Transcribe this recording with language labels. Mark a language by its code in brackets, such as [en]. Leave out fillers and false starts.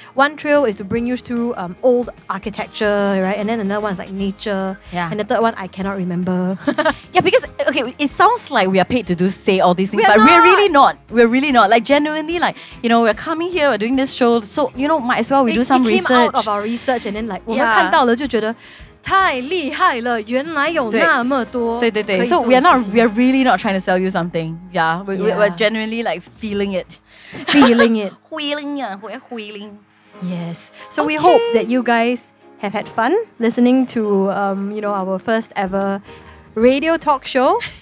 [en] One trail is to bring you through old architecture, right? And then another one is like nature. Yeah. And the third one, I cannot remember. Yeah, because, okay, it sounds like we are paid to say all these things, but we're really not. We're really not. Like, genuinely, like, you know, we're coming here, we're doing this show, so, you know, might as well do some research. It came out of our research, and then, like, yeah. [zh] 我们看到了就觉得, 太厉害了，原来有那么多。对对对。 [en] So we are really not trying to sell you something. Yeah, we're genuinely like feeling it. Feeling it. Feeling it. We're feeling. Yes. So okay. We hope that you guys have had fun listening to you know, our first ever radio talk show.